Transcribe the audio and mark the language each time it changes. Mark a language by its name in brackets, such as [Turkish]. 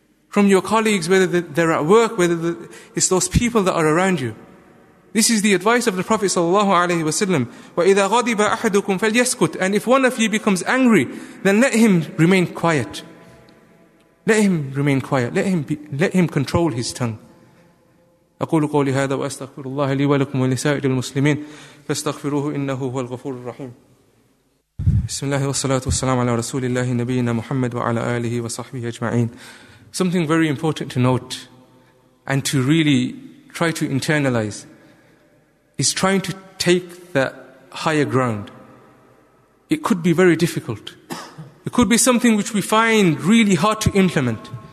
[English] From your colleagues, whether they're at work, whether it's those people that are around you. This is the advice of the Prophet ﷺ. [Arabic] وَإِذَا غَضِبَ أَحَدُكُمْ فَلْيَسْكُتْ. [English] And if one of you becomes angry, then let him remain quiet. Let him remain quiet. Let him control his tongue. [Arabic] أقول قولي هذا وأستغفر الله لي ولكم ولسائر المسلمين فاستغفروه إنه هو الغفور الرحيم. بسم الله والصلاة والسلام على رسول الله نبينا محمد وعلى آله وصحبه أجمعين. [English] Something very important to note and to really try to internalize is trying to take that higher ground. It could be very difficult. It could be something which we find really hard to implement.